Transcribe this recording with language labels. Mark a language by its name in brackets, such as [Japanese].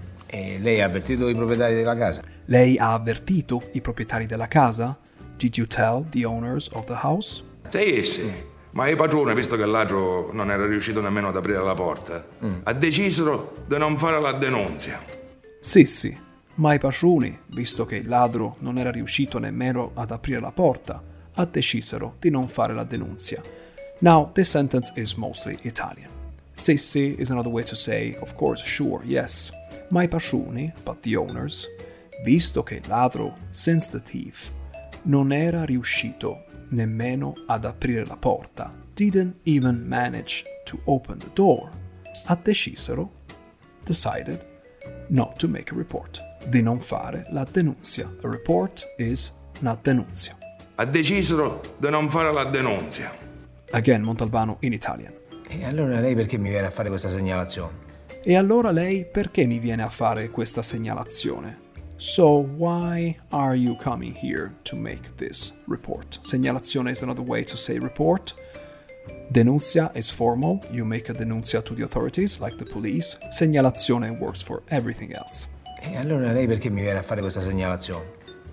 [Italian] E lei ha avvertito i proprietari della casa? Lei ha avvertito i proprietari della casa? [English] Did you tell the owners of the house? [Italian] Sì, sì. Ma i padroni, visto che il ladro non era riuscito nemmeno ad aprire la porta, ha deciso di non fare la denunzia. Sì, sì. Ma i padroni, visto che il ladro non era riuscito nemmeno ad aprire la porta, ha deciso di non fare la denunzia. [English] Now, this sentence is mostly Italian. Sì, sì is another way to say, of course, sure, yes. [Italian] Ma i pascioni, [English] but the owners, [Italian] visto che il ladro, [English] since the thief, [Italian] non era riuscito nemmeno ad aprire la porta, [English] didn't even manage to open the door, [Italian] ha decisero, [English] decided, not to make a report, [Italian] di non fare la denuncia. [English] A report is una denuncia. [Italian] Ha decisero di non fare la denuncia. [English] Again, Montalbano in Italian. [Italian] E allora lei perché mi viene a fare questa segnalazione? E allora lei perché mi viene a fare questa segnalazione? [English] So why are you coming here to make this report? Segnalazione is another way to say report. Denuncia is formal. You make a denuncia to the authorities, like the police. Segnalazione works for everything else. [Italian] E allora lei perché mi viene a fare questa segnalazione?